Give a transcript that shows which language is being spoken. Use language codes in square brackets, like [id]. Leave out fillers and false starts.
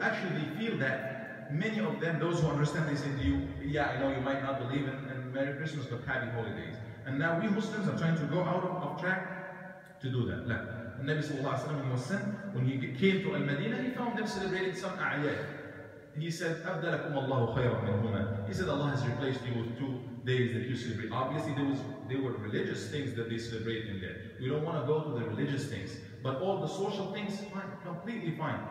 [en] Actually, they feel that. Many of them, those who understand, they say to you, yeah, I know you might not believe in Merry Christmas, but Happy Holidays. And now we Muslims are trying to go out of track to do that. [ar] لا. [en] The Nabi sallallahu alayhi wa sallam was sent, when he came to Al-Madinah, he found them celebrating some A'yad. He said, [ar] أَبْدَلَكُمْ اللَّهُ خَيْرًا مِنْهُمَا. [en] He said, Allah has replaced you with 2 days that you celebrate. Obviously, they were religious things that they celebrated in there. We don't want to go to the religious things. But all the social things, fine, completely fine.